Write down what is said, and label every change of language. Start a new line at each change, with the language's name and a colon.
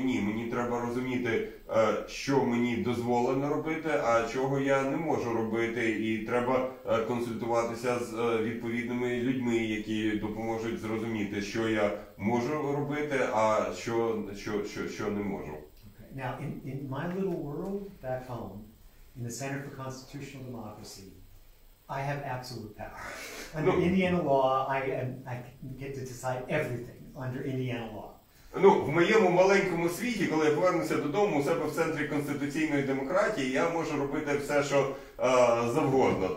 Ukrainian: Ні, мені треба розуміти, що мені дозволено робити, а чого я не можу робити. І треба консультуватися з відповідними людьми, які допоможуть зрозуміти, що я можу робити, а що не можу. Okay.
English: Now, in my little world back home, in the Center for Constitutional Democracy, I have absolute power. Under Indiana law, I get to decide everything under Indiana law.
Ukrainian: Ну, в моєму маленькому світі, коли я повернуся додому, у себе в центрі конституційної демократії, я можу робити все, що завгодно.